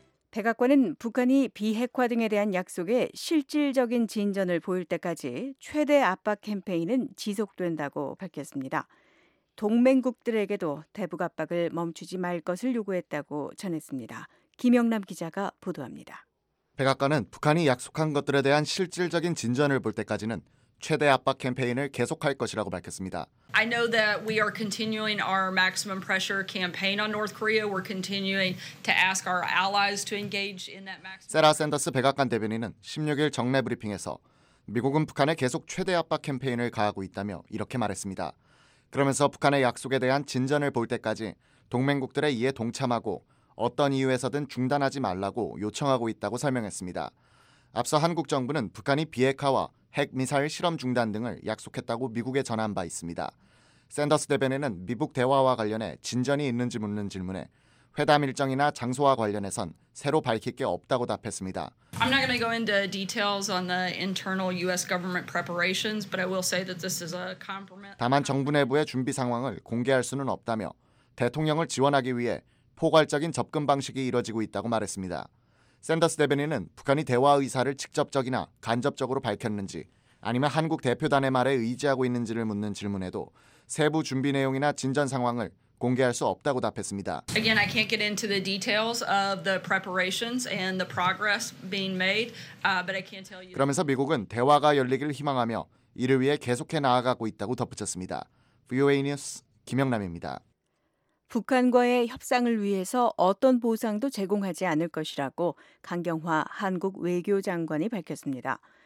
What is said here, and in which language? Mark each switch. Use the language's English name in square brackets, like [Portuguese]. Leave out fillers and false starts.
[Korean] 백악관은 북한이 비핵화 등에 대한 약속에 실질적인 진전을 보일 때까지 최대 압박 캠페인은 지속된다고 밝혔습니다. 동맹국들에게도 대북 압박을 멈추지 말 것을 요구했다고 전했습니다. 김영남 기자가 보도합니다. 백악관은 북한이 약속한 것들에 대한 실질적인 진전을 볼 때까지는 최대 압박 캠페인을 계속할 것이라고 밝혔습니다. [English] I know that we are continuing our maximum pressure campaign on North Korea. We're continuing to ask our allies to engage in that maximum. [Korean] 세라 샌더스 백악관 대변인은 16일 정례 브리핑에서 미국은 북한에 계속 최대 압박 캠페인을 가하고 있다며 이렇게 말했습니다. 그러면서 북한의 약속에 대한 진전을 볼 때까지 동맹국들의 이에 동참하고 어떤 이유에서든 중단하지 말라고 요청하고 있다고 설명했습니다. 앞서 한국 정부는 북한이 비핵화와 핵미사일 실험 중단 등을 약속했다고 미국에 전한 바 있습니다. 샌더스 대변인은 미북 대화와 관련해 진전이 있는지 묻는 질문에 회담 일정이나 장소와 관련해선 새로 밝힐 게 없다고 답했습니다. [English] I'm not going to go into details on the internal US government preparations, but I will say that this is a compromise. [Korean] 다만 정부 내부의 준비 상황을 공개할 수는 없다며 대통령을 지원하기 위해 포괄적인 접근 방식이 이뤄지고 있다고 말했습니다. 샌더스 대변인은 북한이 대화 의사를 직접적이나 간접적으로 밝혔는지 아니면 한국 대표단의 말에 의지하고 있는지를 묻는 질문에도 세부 준비 내용이나 진전 상황을 공개할 수 없다고 답했습니다. [English] Again, I can't get into the details of the preparations and the progress being made, but I can tell you. [Korean] 그러면서 미국은 대화가 열리기를 희망하며 이를 위해 계속해 나아가고 있다고 덧붙였습니다. VOA 뉴스 김영남입니다. 북한과의 협상을 위해서 어떤 보상도 제공하지 않을 것이라고 강경화 한국 외교장관이 밝혔습니다.